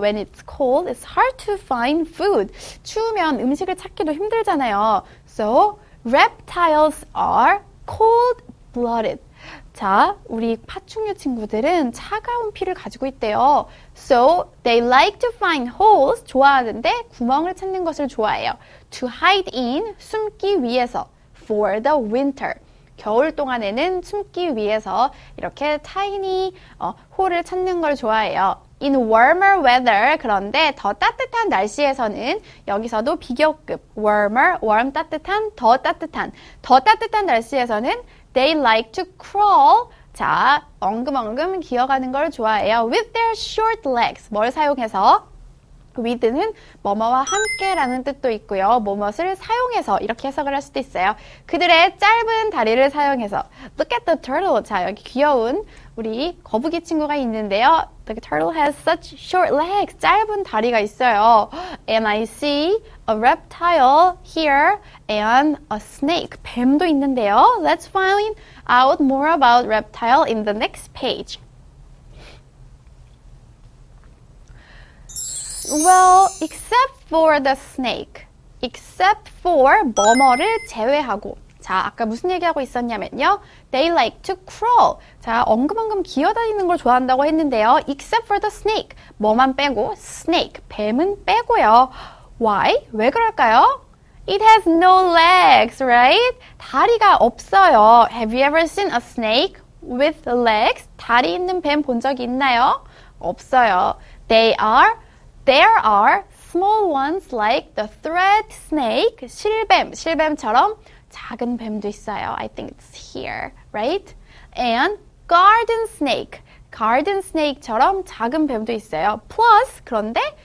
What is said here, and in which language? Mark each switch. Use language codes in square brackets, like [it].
[en] When it's cold, it's hard to find food. [ko] 추우면 음식을 찾기도 힘들잖아요. [en] So, reptiles are cold-blooded. [ko] 자, 우리 파충류 친구들은 차가운 피를 가지고 있대요. [en] So, they like to find holes, [ko] 좋아하는데 구멍을 찾는 것을 좋아해요. [en] To hide in, [ko] 숨기 위해서. [en] For the winter. [ko] 겨울 동안에는 숨기 위해서 이렇게 tiny 홀을 찾는 걸 좋아해요. [en] In warmer weather, [ko] 그런데 더 따뜻한 날씨에서는 여기서도 비교급. Warmer, warm 따뜻한, 더 따뜻한. 더 따뜻한 날씨에서는 [en] They like to crawl. [ko] 자, 엉금엉금 기어가는 걸 좋아해요. [en] With their short legs. [ko] 뭘 사용해서? With는 뭐뭐와 함께라는 뜻도 있고요. 뭐뭐를 사용해서 이렇게 해석을 할 수도 있어요. 그들의 짧은 다리를 사용해서. [en] Look at the turtle. [ko] 자, 여기 귀여운 우리 거북이 친구가 있는데요. [en] The turtle has such short legs. [ko] 짧은 다리가 있어요. [en] And I see a reptile here and a snake. [ko] 뱀도 있는데요. [en] Let's find out more about reptile in the next page. Well, except for the snake. Except for 뭐뭐를 제외하고. [ko] 자, 아까 무슨 얘기하고 있었냐면요. [en] They like to crawl. [ko] 자, 엉금엉금 기어다니는 걸 좋아한다고 했는데요. [en] Except for the snake. [ko] 뭐만 빼고? Snake. 뱀은 빼고요. Why? 왜 그럴까요? [en] It has no legs, right? [ko] 다리가 없어요. [en] Have you ever seen a snake with legs? [ko] 다리 있는 뱀 본 적 있나요? 없어요. [en] There are small ones like the thread snake, 실뱀, [ko] 실뱀처럼 작은 뱀도 있어요. [en] I think it's here, right? And garden snake, [ko] garden snake처럼 작은 뱀도 있어요. [en] Plus, [ko] 그런데